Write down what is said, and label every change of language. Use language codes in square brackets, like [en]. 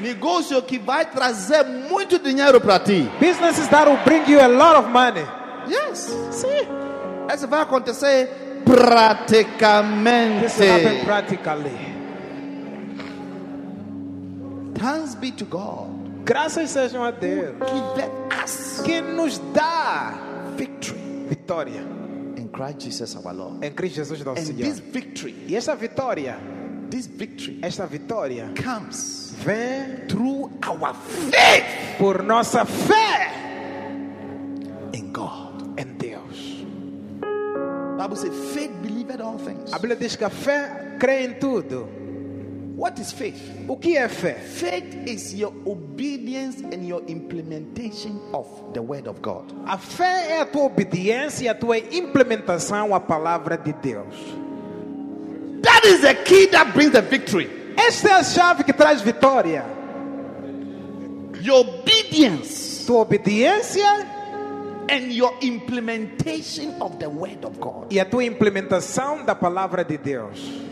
[pt] Negócio que vai trazer muito dinheiro para ti. [en] Businesses that will bring you a lot of money. Yes. See. [pt] Isso vai acontecer praticamente. [en] This will happen practically. Thanks be to God. [pt] Graças sejam a Deus. Que [en] let us. [pt] Que nos dá [en] victory. [pt] Vitória. [en] Christ Jesus our Lord. [pt] Em Cristo Jesus nosso Senhor. [en] And this victory. [pt] E esta vitória. [en] This victory. [pt] Esta vitória. [en] Comes. [pt] Vem. [en] Through our faith. [pt] Por nossa fé. [en] In God. [pt] Em Deus. [en] Bible says faith believeth all things. [pt] A Bíblia diz que a fé crê em tudo. [en] What is faith? [pt] O que é fé? [en] Faith is your obedience and your implementation of the word of God. [pt] A fé é a tua obediência e a tua implementação à palavra de Deus. [en] That is the key that brings the victory. [pt] Esta é a chave que traz vitória. [en] Your obedience. [pt] Tua obediência. [en] And your implementation of the word of God. [pt] E a tua implementação da palavra de Deus.